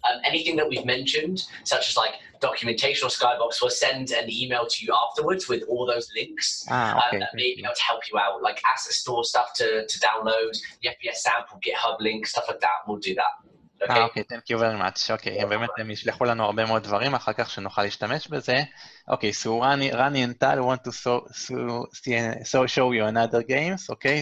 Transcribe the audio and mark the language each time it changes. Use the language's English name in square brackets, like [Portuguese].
[English] anything that we've mentioned, such as like documentation or Skybox, we'll send an email to you afterwards with all those links. Okay. That may be able to help you out, like asset store stuff to download, the FPS sample, GitHub link, stuff like that, we'll do that. אה, אוקיי, thank you very much. [Hebrew] אוקיי, הם באמת ישלחו לנו הרבה מאוד דברים אחר כך שנוכל להשתמש בזה. [English] אוקיי, so Rani and Tal want to show you another game, אוקיי?